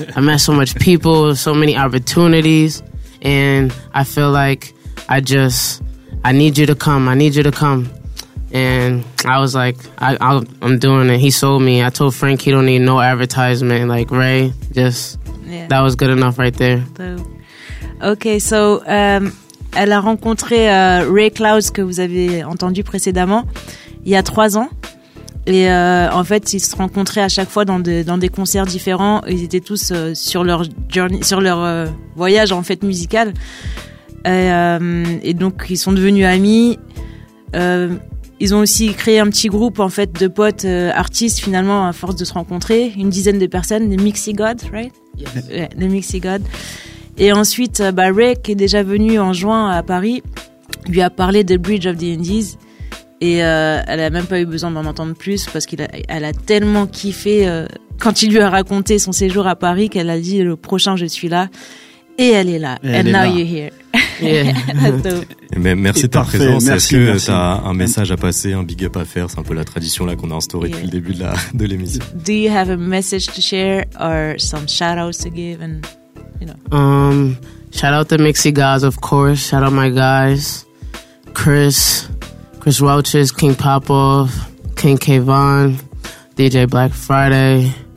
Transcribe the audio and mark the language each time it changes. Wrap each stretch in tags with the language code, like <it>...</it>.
<en>I met so much people, so many opportunities. And I feel like I need you to come. I need you to come. And I was like, I'm doing it. He sold me. I told Frank he don't need no advertisement. Like, Ray, just, yeah. That was good enough right there. Okay, so</en> <fr>elle a rencontré Ray Clouds, que vous avez entendu précédemment, il y a 3 ans. Et en fait, ils se rencontraient à chaque fois dans des concerts différents. Ils étaient tous sur leur voyage en fait musical. Et donc, ils sont devenus amis. Ils ont aussi créé un petit groupe en fait de potes artistes, finalement, à force de se rencontrer. Une dizaine de personnes, les Mixie Gods,</fr> <en>right? Yes.</en> <fr>Les Mixie Gods. Et ensuite, bah, Ray, qui est déjà venu en juin à Paris, lui a parlé de Bridge of the Indies. Et elle n'a même pas eu besoin d'en entendre plus parce qu'elle a tellement kiffé quand il lui a raconté son séjour à Paris qu'elle a dit « Le prochain, je suis là ». Et elle est là. Elle</fr> <en>And</en> <fr>est</fr> <en>now</en> <fr>là.</fr> <en>You're here.</en> <fr>Yeah. Mais merci de ta présence. Merci, est-ce que tu as un message à passer, un big up à faire? C'est un peu la tradition là, qu'on a instauré depuis le début de l'émission.</fr> <en>Do you have a message to share or some shout-outs to give and... Shout out to Mixie Gods, of course. Shout out my guys, Chris Welch's, King Popoff, King Kayvon, DJ Black Friday.</en>